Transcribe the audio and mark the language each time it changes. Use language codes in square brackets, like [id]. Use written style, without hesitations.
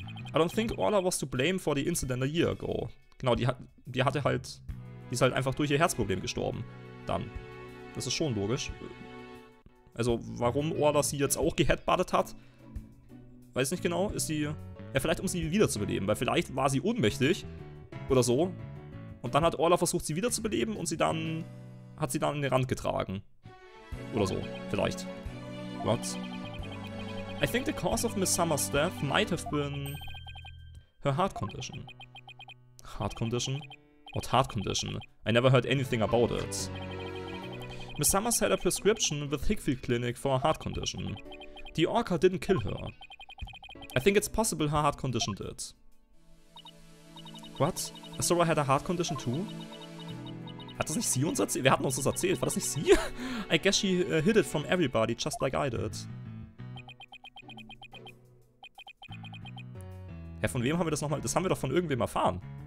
[en] I don't think Orla was to blame for the incident a year ago. [de] Genau, die ist halt einfach durch ihr Herzproblem gestorben. Dann. Das ist schon logisch. Also warum Orla sie jetzt auch geheadbuttet hat, weiß nicht genau. Ist sie... Ja, vielleicht um sie wiederzubeleben, weil vielleicht war sie ohnmächtig oder so. Und dann hat Orla versucht, sie wiederzubeleben und hat sie dann in den Rand getragen. Oder so, vielleicht. [en] What? I think the cause of Miss Summer's death might have been her heart condition. Heart condition? What heart condition? I never heard anything about it. Miss Summer's had a prescription with Hickfield Clinic for a heart condition. The orca didn't kill her. I think it's possible her heart condition did. What? Asura had a heart condition too? [de] Hat das nicht sie uns erzählt? Wir hatten uns das erzählt. War das nicht sie? [en] I guess she hid it from everybody, just like I did. [de] Ja, von wem haben wir das nochmal? Das haben wir doch von irgendwem erfahren.